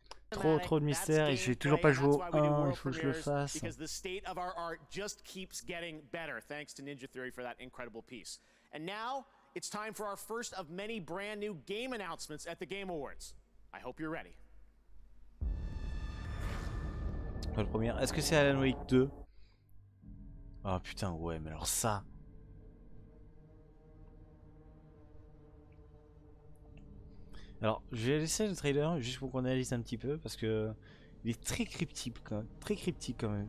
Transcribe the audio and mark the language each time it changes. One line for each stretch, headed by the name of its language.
French: Trop de mystère et j'ai toujours pas joué au 1, il faut que je le fasse.
English: Because the state of our art just keeps getting better thanks to Ninja Theory for that incredible piece. And now it's time for our first of many brand new game announcements at the Game Awards. I hope you're ready.
French: Le premier, est-ce que c'est Alan Wake 2? Oh putain, ouais, mais alors ça. Alors, je vais laisser le trailer juste pour qu'on analyse un petit peu parce que il est très cryptique, quand même. Très cryptique quand même.